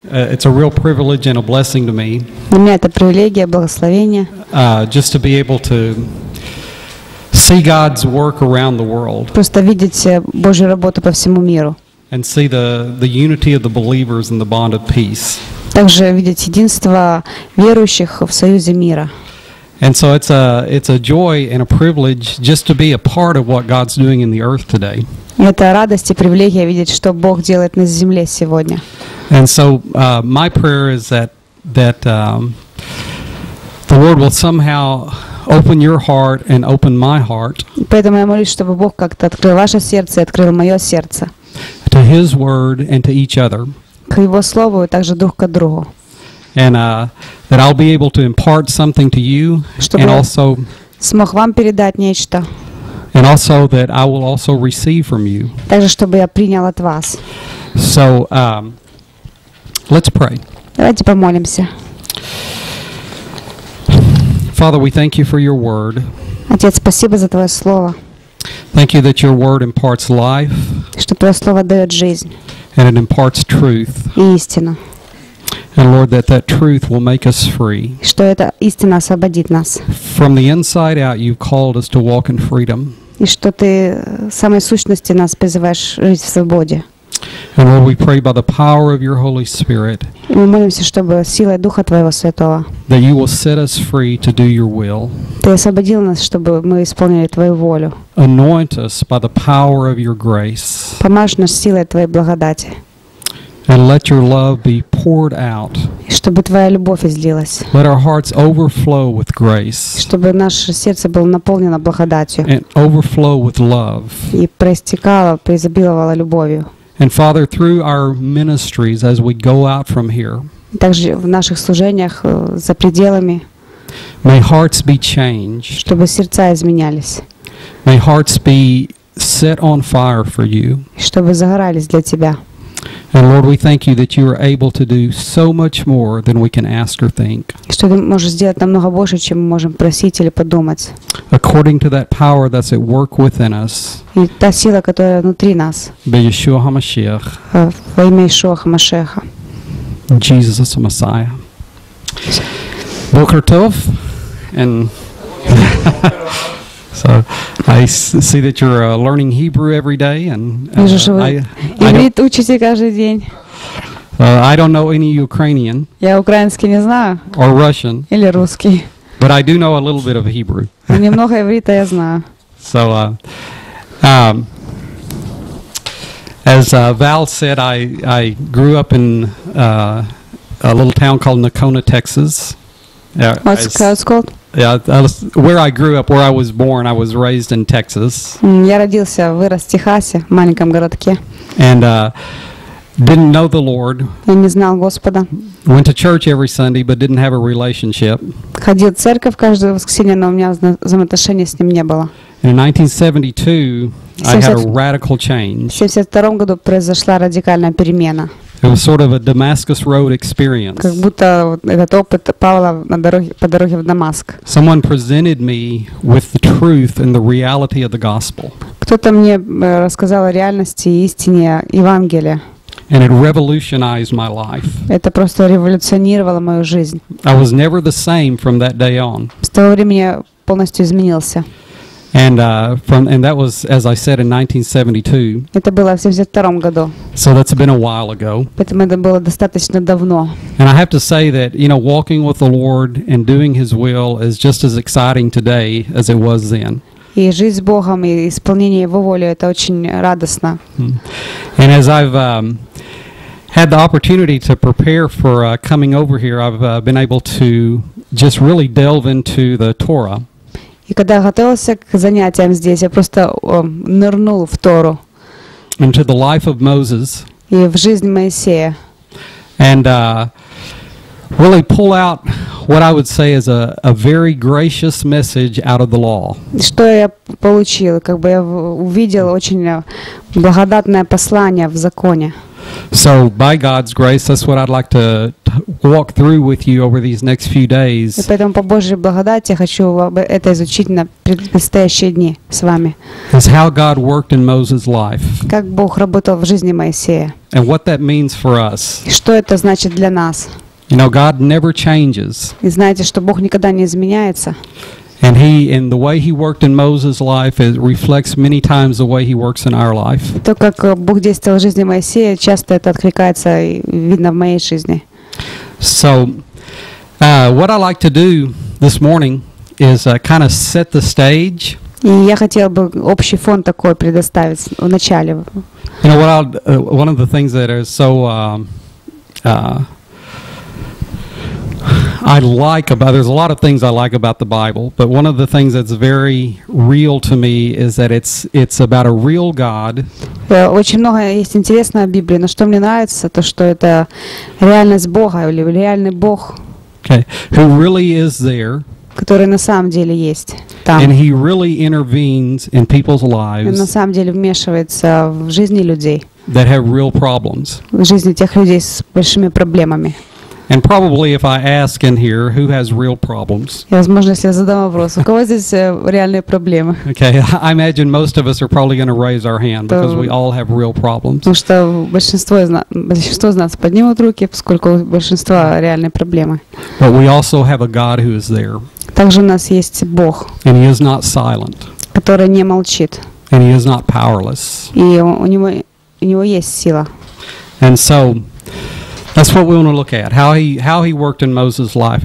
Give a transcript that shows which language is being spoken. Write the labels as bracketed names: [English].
[English] It's a real privilege and a blessing to me. [Russian] Для меня это привилегия, благословение. [English] Just to be able to see God's work around the world. [Russian] Просто видеть Божью работу по всему миру. [English] And see the unity of the believers and the bond of peace. [Russian] Также видеть единство верующих в союзе мира. [English] And so it's a joy and a privilege just to be a part of what God's doing in the earth today. [Russian] Это радость и привилегия видеть, что Бог делает на земле сегодня. [English] And so my prayer is that the Lord will somehow open your heart and open my heart. [Russian] Поэтому я молюсь, чтобы Бог как-то открыл ваше сердце и открыл мое сердце. [English] To His word and to each other. [Russian] К Его слову и также друг к другу. [English] And that I'll be able to impart something to you, [Russian] чтобы [English] and also [Russian] смог вам передать нечто. [English] And also that I will also receive from you. [Russian] Также чтобы я принял от вас. [English] So let's pray. [Russian] Давайте помолимся. [English] Father, we thank you for your word. [Russian] Отец, спасибо за твое слово. [English] Thank you that your word imparts life. [Russian] Что твое слово дает жизнь. [English] And it imparts truth. [Russian] И истину. [English] And Lord, that truth will make us free. [Russian] Что эта истина освободит нас. [English] From the inside out, you've called us to walk in freedom. [Russian] И что ты самой сущности нас призываешь жить в свободе. [English] And Lord, we pray by the power of your Holy Spirit. [Russian] И мы молимся, чтобы силой Духа Твоего Святого. [English] That you will set us free to do your will. [Russian] Ты освободил нас, чтобы мы исполнили Твою волю. [English] Anoint us by the power of your grace. [Russian] Помажь нас силой Твоей благодати. [English] And let your love be poured out. [Russian] Чтобы твоя любовь излилась. [English] Let our hearts overflow with grace. [Russian] Чтобы наше сердце было наполнено благодатью. [English] And overflow with love. [Russian] И проистекало, преизобиловало любовью. [English] And Father, through our ministries as we go out from here. [Russian] Также в наших служениях за пределами. [English] May hearts be changed. [Russian] Чтобы сердца изменялись. [English] May hearts be set on fire for you. [Russian] Чтобы загорались для тебя. [English] And Lord, we thank you that you are able to do so much more than we can ask or think. [Russian] Что ты можешь сделать намного больше, чем мы можем просить или подумать. [English] According to that power that's at work within us. [Russian] И та сила, которая внутри нас. [Hebrew] Бе-Йешуа ха-Машиах. [Russian] Во имя Йешуа ха-Машиаха. [English] Jesus is the Messiah. [Hebrew] Бокер тов. [English] And so I see that you're learning Hebrew every day, and I don't know any Ukrainian. [Russian] Я украинский не знаю. [English] Or Russian. [Russian] Или русский. [English] But I do know a little bit of Hebrew. [Russian] Немного иврита я знаю. [English] So, as Val said, I grew up in a little town called Nakona, Texas. What's it called? Yeah, where I grew up, where I was born, I was raised in Texas. [Russian] Я родился, вырос в Техасе, в маленьком городке. [English] And didn't know the Lord. [Russian] Я не знал Господа. [English] Went to church every Sunday, but didn't have a relationship. [Russian] Ходил в церковь каждое воскресенье, но у меня взаимоотношений с ним не было. [English] And in 1972, I had a radical change. [Russian] В 72 году произошла радикальная перемена. [English] It was sort of a Damascus Road experience. [Russian] Как будто этот опыт Павла по дороге в Дамаск. [English] Someone presented me with the truth and the reality of the gospel. [Russian] Кто-то мне рассказал о реальности и истине Евангелия. [English] And it revolutionized my life. [Russian] Это просто революционировало мою жизнь. [English] I was never the same from that day on. [Russian] С того времени я полностью изменился. [English] And that was, as I said, in 1972. [Russian] Это было в 72 году. [English] So that's been a while ago. [Russian] Поэтому это было достаточно давно. [English] And I have to say that, you know, walking with the Lord and doing His will is just as exciting today as it was then. [Russian] И жизнь с Богом и исполнение Его воли — это очень радостно. [English] And as I've had the opportunity to prepare for coming over here, I've been able to just really delve into the Torah. [Russian] И когда я готовился к занятиям здесь, я просто нырнул в Тору. [English] Into the life of Moses. [Russian] И в жизнь Моисея. [English] And really pull out what I would say is a very gracious message out of the law. [Russian] Что я получил, как бы я увидел очень благодатное послание в законе. [English] So by God's grace, that's what I'd like to walk through with you over these next few days. [Russian] И поэтому по Божьей благодати хочу это изучить на предстоящие дни с вами. [English] Is how God worked in Moses' life. [Russian] Как Бог работал в жизни Моисея. [English] And what that means for us. [Russian] И что это значит для нас? [English] You know, God never changes. [Russian] И знаете, что Бог никогда не изменяется. [English] And he, in the way he worked in Moses' life, it reflects many times the way he works in our life. [Russian] То, как Бог действовал в жизни Моисея, часто это откликается и видно в моей жизни. [English] So, what I like to do this morning is kind of set the stage. [Russian] И я хотел бы общий фон такой предоставить в начале. [English] You know, one of the things that is so I like about, there's a lot of things I like about the Bible, but one of the things that's very real to me is that it's about a real God. [Russian] Очень много есть интересного в Библии, но что мне нравится, то что это реальность Бога или реальный Бог. [English] Okay, who really is there? [Russian] Который на самом деле есть там. [English] And he really intervenes in people's lives. [Russian] Он на самом деле вмешивается в жизни людей. [English] That have real problems. [Russian] В жизни тех людей с большими проблемами. [English] And probably if I ask in here who has real problems. [Russian] Возможно, если я задам вопрос, у кого здесь реальные проблемы? [English] Okay, I imagine most of us are probably going to raise our hand because we all have real problems. [Russian] Потому что большинство из нас поднимут руки, поскольку у большинства реальные проблемы. [English] But we also have a God who is there. [Russian] Также у нас есть Бог. [English] And he is not silent. [Russian] Который не молчит. [English] And he is not powerless. [Russian] И у него есть сила. [English] And so that's what we want to look at. How he worked in Moses' life.